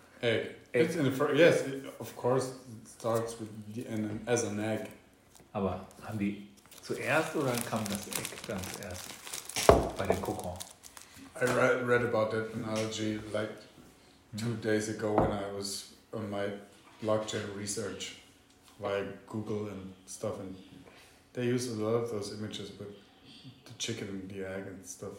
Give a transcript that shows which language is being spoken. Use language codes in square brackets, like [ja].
[en] It's in the first, yes, of course, it starts with the, and as an egg. [de] Aber haben die zuerst oder kam das Eck dann zuerst bei dem Kokon? [en] I read about that analogy like 2 days ago when I was on my blockchain research via Google and stuff. And they use a lot of those images with the chicken and the egg and stuff.